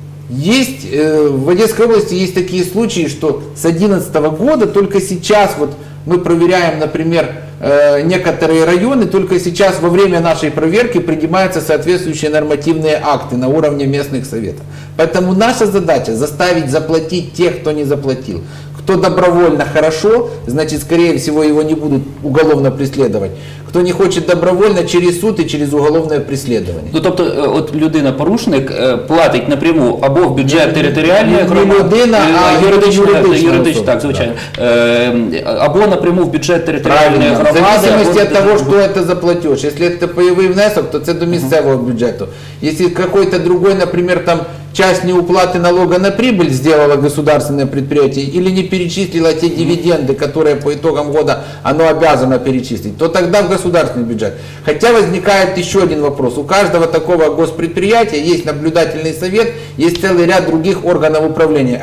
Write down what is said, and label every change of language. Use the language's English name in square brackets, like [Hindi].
[Russian] В Одесской области есть такие случаи, что с 2011 года только сейчас вот мы проверяем, например, некоторые районы, только сейчас во время нашей проверки принимаются соответствующие нормативные акты на уровне местных советов. Поэтому наша задача заставить заплатить тех, кто не заплатил. Кто добровольно хорошо, значит, скорее всего, его не будут уголовно преследовать. Кто не хочет добровольно, через суд и через уголовное преследование. [Ukrainian] Ну, тобто, от людина-порушник платить напряму або в бюджет територіальної громади. Не людина, а юридична так, звичайно. Або напряму в бюджет територіальної громади. В зависимості від того, що це за платеж. Якщо це пайовий внесок, то це до місцевого бюджету. Якщо якийсь другий, наприклад, там [Russian] часть неуплаты налога на прибыль сделало государственное предприятие или не перечислило те дивиденды, которые по итогам года оно обязано перечислить, то тогда в государственный бюджет. Хотя возникает еще один вопрос. У каждого такого госпредприятия есть наблюдательный совет, есть целый ряд других органов управления.